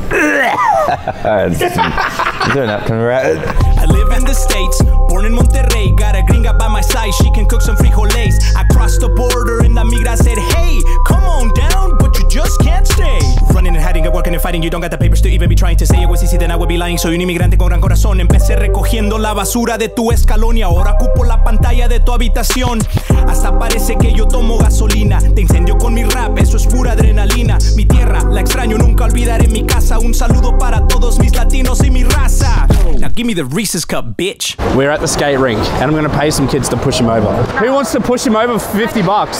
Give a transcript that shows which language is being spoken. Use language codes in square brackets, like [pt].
[en] Do an apron wrap. I live in the States, born in Monterrey. Got a gringa by my side, she can cook some frijoles. I crossed the border and la migra said, hey, come on down, but you just can't stay. Running and hiding and working and fighting, you don't got the papers to even be trying to say it was easy, then I would be lying. [es] Soy un inmigrante con gran corazón. Empecé recogiendo la basura de tu escalón y ahora ocupo la pantalla de tu habitación. Hasta parece que yo tomo gasolina. Te incendio con mi rap, eso es pura adrenalina. Mi tierra, la extraño, nunca olvidaré mi casa. Un saludo para todos mis latinos y mi raza. [en] Now give me the Reese's Cup, bitch. We're at the skate rink and I'm gonna pay some kids to push him over. Who wants to push him over for 50 bucks?